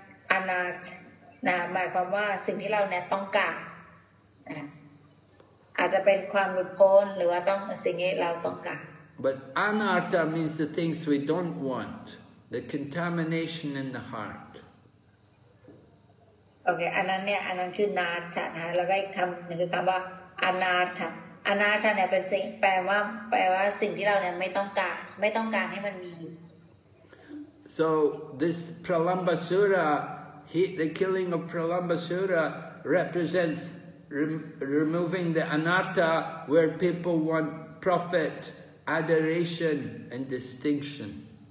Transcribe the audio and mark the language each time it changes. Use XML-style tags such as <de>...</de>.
<th>อนาถนะหมายความว่าสิ่งที่เราเนี่ยต้องการอาจจะเป็นความหลุดพ้นหรือว่าต้องสิ่งที่เราต้องการ</th> <en>But anartha means the things we don't want the contamination in the heart</en> <th>โอเคอันนั้นคือนาถะนะแล้วก็อีกคำหนึ่งคือคำว่าอนาถะเนี่ยเป็นสิ่งแปลว่าสิ่งที่เราเนี่ยไม่ต้องการให้มันมี</th> <en>So this Pralambasura, the killing of Pralambasura represents removing the anartha where people want profit, adoration, and distinction.</en>